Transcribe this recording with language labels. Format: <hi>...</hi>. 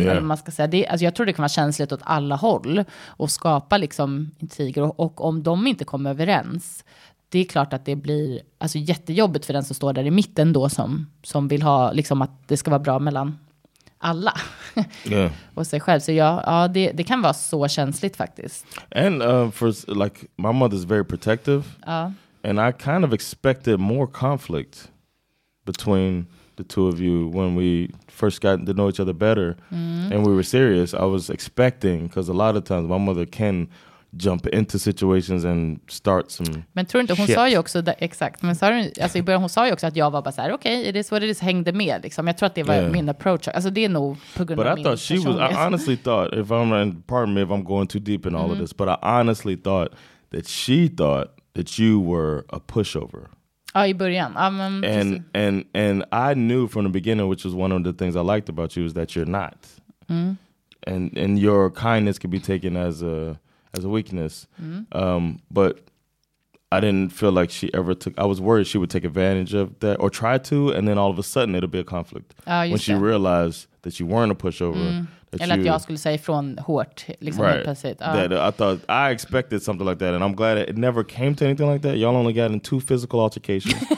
<sv>Eller man ska säga, det, alltså jag tror det kan vara känsligt åt alla håll och skapa liksom intriger, och om de inte kommer överens, det är klart att det blir, alltså, jättejobbigt för den som står där i mitten då, som vill ha liksom att det ska vara bra mellan alla och sig själv. Så det kan vara så känsligt faktiskt.</sv> <en>And for like, my mother is very protective. And I kind of expected more conflict between the two of you when we first got to know each other better and we were serious. I was expecting, because a lot of times my mother can jump into situations and start some.</en> <sv>Men tror inte, hon</sv> <en>shit.</en> <sv>Sa ju också där, exakt, men sa hon, alltså i början hon sa ju också att jag var bara så här, okej, okay, det är så det så hängde med liksom. Jag tror att det var min approach. Alltså det är nog på grund</sv> <en>but</en> <sv>av</sv> <en>I thought she was, I honestly thought, if I'm, pardon me if I'm going too deep in all of this, but I honestly thought that she thought that you were a pushover.</en> <sv>Ja, i början.</sv> <en>And I knew from the beginning, which was one of the things I liked about you, is that you're not. And your kindness can be taken as a weakness. But I didn't feel like she ever took, I was worried she would take advantage of that or try to, and then all of a sudden it'll be a conflict. When she realized that you weren't a pushover.</en> <sv>Eller att jag skulle säga ifrån hårt liksom,</sv> <en>right,</en> <sv>helt plötsligt.</sv> <en>I expected something like that, and I'm glad it never came to anything like that. Y'all only got in 2 physical altercations.</en>